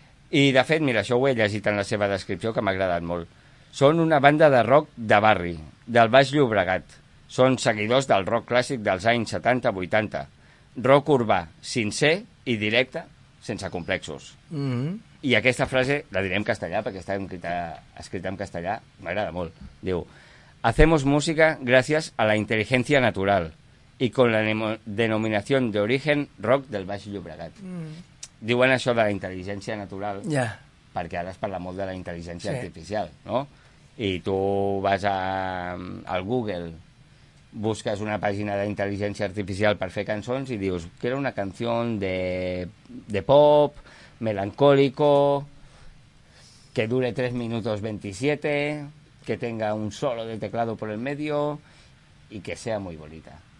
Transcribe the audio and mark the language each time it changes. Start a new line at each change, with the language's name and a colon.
Catalan: I de fet, mira, això ho he llegit en la seva descripció que m'ha agradat molt. Són una banda de rock de barri, del Baix Llobregat. Són seguidors del rock clàssic dels anys 70-80. Rock urbà, sincer i directe, sense complexos. Mm-hmm. I aquesta frase la diré en castellà, perquè està escrita en castellà, m'agrada molt. Diu,
Spanish: hacemos música gracias a la inteligencia natural y con la denominación de origen rock del Baix Llobregat.
Catalan: Diuen això de la intel·ligència natural, perquè ara es parla molt de la intel·ligència artificial, no? I tu vas al Google... busques una pàgina d'intel·ligència artificial per fer cançons i dius,
Spanish: quiero una canción de pop, melancólico, que dure 3:27, que tenga un solo de teclado por el medio y que sea muy bonita.